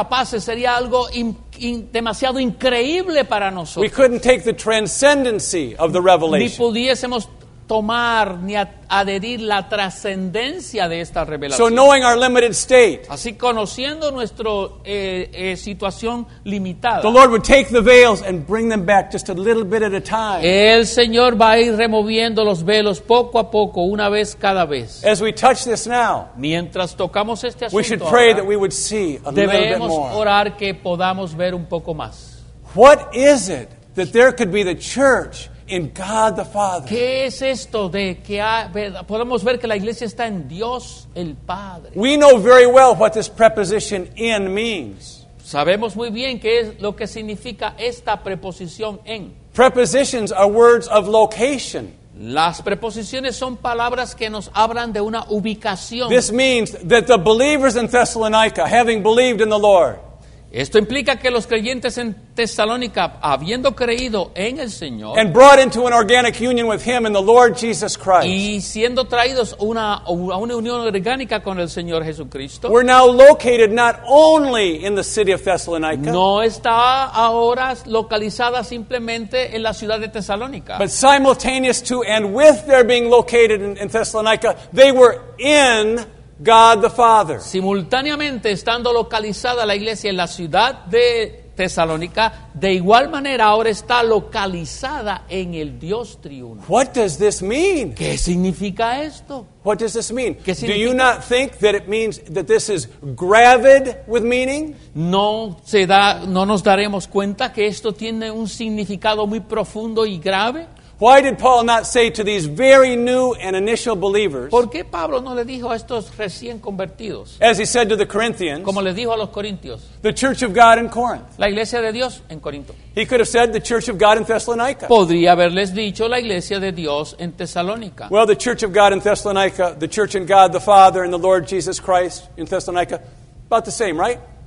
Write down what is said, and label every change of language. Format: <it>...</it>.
<es>seríamos incapaces, sería algo demasiado increíble para nosotros.</es> <en>We couldn't take the transcendency of the revelation.</en> <es>Ni pudiésemos tomar ni adherir la trascendencia de esta revelación.</es> <en>So knowing our limited state.</en> <es>Así conociendo nuestro situación limitada.</es> <en>The Lord would take the veils and bring them back just a little bit at a time.</en> <es>El Señor va a ir removiendo los velos poco a poco, una vez cada vez.</es> <en>As we touch this now.</en> <es>Mientras tocamos este asunto.</es> <en>We should pray that we would see a little bit more.</en> <es>Debemos orar que podamos ver un poco más.</es> <en>What is it that there could be the church in God the Father?</en> <es>¿Qué es esto de que podemos ver que la iglesia está en Dios el Padre?</es> <en>We know very well what this preposition in means.</en> <es>Sabemos muy bien qué es lo que significa esta preposición en.</es> <en>Prepositions are words of location.</en> <es>Las preposiciones son palabras que nos hablan de una ubicación.</es> <en>This means that the believers in Thessalonica, having believed in the Lord.</en> <es>Esto implica que los creyentes en Tesalónica, habiendo creído en el Señor,</es> <en>and brought into an organic union with him and the Lord Jesus Christ,</en> <es>y siendo traídos a una unión orgánica con el Señor Jesucristo,</es> <en>we're now located not only in the city of Thessalonica,</en> <es>no está ahora localizada simplemente en la ciudad de Tesalónica,</es> <en>but simultaneous to and with their being located in Thessalonica, they were in God the Father.</en> <es>Simultáneamente estando localizada la iglesia en la ciudad de Tesalónica, de igual manera ahora está localizada en el Dios triuno.</es> <en>What does this mean?</en> <es>¿Qué significa esto?</es> <en>What does this mean?</en> <es>¿Qué significa?</es> <en>Do you not think that it means that this is gravid with meaning?</en> <es>No nos daremos cuenta que esto tiene un significado muy profundo y grave.</es> <en>Why did Paul not say to these very new and initial believers?</en> <es>¿Por qué Pablo no le dijo a estos recién convertidos?</es> <en>As he said to the Corinthians.</en> <es>Como le dijo a los corintios.</es> <en>The church of God in Corinth.</en> <es>La iglesia de Dios en Corinto.</es> <en>He could have said the church of God in Thessalonica.</en> <es>Podría haberles dicho la iglesia de Dios en Tesalónica.</es> <en>Well, the church of God in Thessalonica, the church in God the Father and the Lord Jesus Christ in Thessalonica, about the same, right?</en>